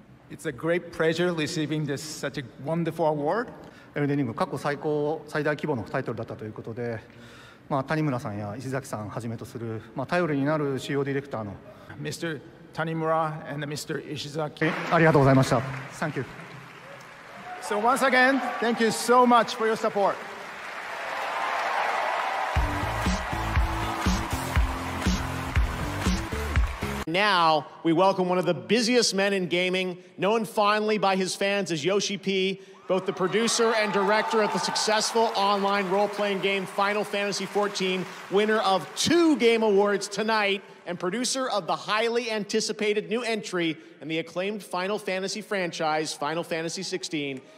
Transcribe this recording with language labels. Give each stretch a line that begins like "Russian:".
English: It's a great pleasure receiving this such a wonderful award.
Japanese: Elden Ring, 過去最高最大規模のタイトルだったということで、まあ、谷村さんや石崎さんはじめとする、まあ、頼りになる主要ディレクターの
English: Mr. Tanimura and Mr. Ishizaki.
Japanese: ありがとうございました。
English: Thank you. So once again, thank you so much for your support. Now, we welcome one of the busiest men in gaming, known fondly by his fans as Yoshi P, both the producer and director of the successful online role-playing game Final Fantasy XIV, winner of two Game Awards tonight, and producer of the highly anticipated new entry in the acclaimed Final Fantasy franchise, Final Fantasy XVI.